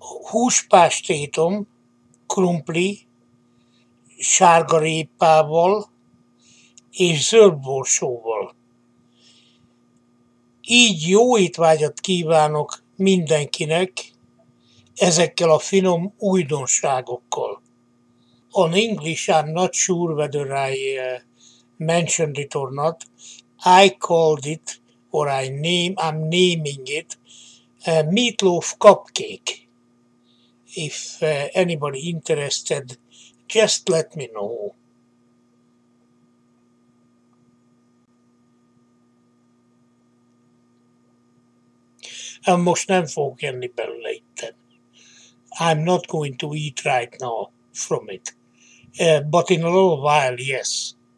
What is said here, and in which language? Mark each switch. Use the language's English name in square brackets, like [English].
[Hungarian] Húspástétom, krumpli, sárgarépával és zöldborsóval. Így jó étvágyat kívánok mindenkinek ezekkel a finom újdonságokkal. [English] On English, I'm not sure whether I mentioned it or not. I called it, or I'm naming it, a meatloaf cupcake. If anybody interested, just let me know. [Hungarian] Most nem fogok enni belőle itten. [English] I'm not going to eat right now from it. But in a little while, yes.